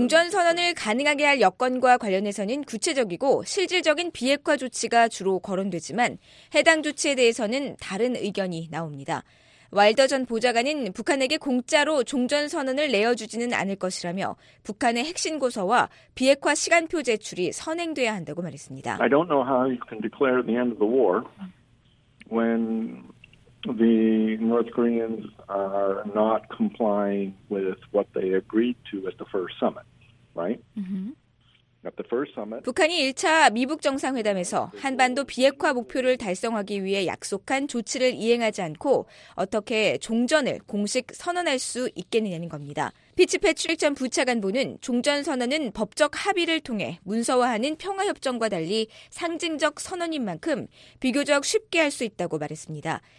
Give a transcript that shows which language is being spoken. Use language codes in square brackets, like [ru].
[ko] 종전선언을 가능하게 할 여건과 관련해서는 구체적이고 실질적인 비핵화 조치가 주로 거론되지만 해당 조치에 대해서는 다른 의견이 나옵니다. 와일더 전 보좌관은 북한에게 공짜로 종전선언을 내어주지는 않을 것이라며 북한의 핵신고서와 비핵화 시간표 제출이 선행돼야 한다고 말했습니다. [en] I don't know how you can declare the end of the war when the North Koreans are not complying with what they agreed to at the first summit, right? Mm-hmm. At the first summit, [ko] 북한이 1차 미북 정상회담에서 한반도 비핵화 목표를 달성하기 위해 약속한 조치를 이행하지 않고 어떻게 종전을 공식 선언할 수 있겠느냐는 겁니다. 피츠패트릭 전 부차관보는 종전선언은 법적 합의를 통해 문서화하는 평화협정과 달리 상징적 선언인 만큼 비교적 쉽게 할 수 있다고 말했습니다.